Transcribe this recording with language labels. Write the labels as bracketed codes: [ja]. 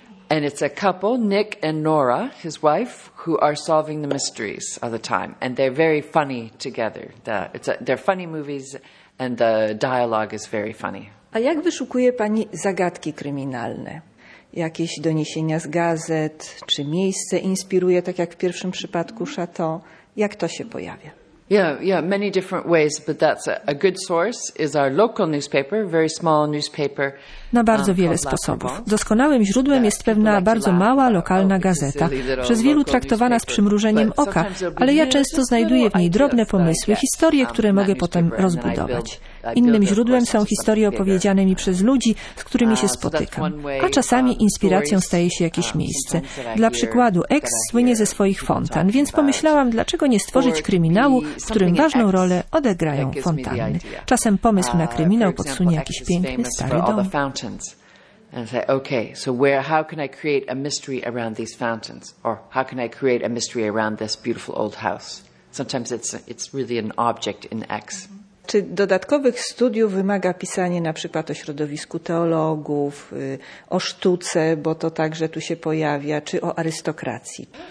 [en] And it's a couple, Nick and Nora, his wife, who are solving the mysteries of the time. And they're very funny together. They're funny movies and the dialogue is very funny. [pl] A jak wyszukuje pani zagadki kryminalne? Jakieś doniesienia z gazet, czy miejsce inspiruje, tak jak w pierwszym przypadku Chateau? Jak to się pojawia? Yeah, many different ways, but that's a good source is our local newspaper, very small newspaper. Na bardzo wiele sposobów. Doskonałym źródłem jest pewna bardzo mała, lokalna gazeta, przez wielu traktowana z przymrużeniem oka, ale ja często znajduję w niej drobne pomysły, historie, które mogę potem rozbudować. Innym źródłem są historie opowiedziane mi przez ludzi, z którymi się spotykam. A czasami inspiracją staje się jakieś miejsce. Dla przykładu, EX słynie ze swoich fontan, więc pomyślałam, dlaczego nie stworzyć kryminału, w którym ważną rolę odegrają fontanny. Czasem pomysł na kryminał podsunie jakiś piękny, stary dom. [en] And say, okay, so where, how can I create a mystery around these fountains? Or how can I create a mystery around this beautiful old house? Sometimes it's really an object in X. [pl] Czy dodatkowych studiów wymaga pisanie na przykład o środowisku teologów, o sztuce, bo to także tu się pojawia, czy o arystokracji?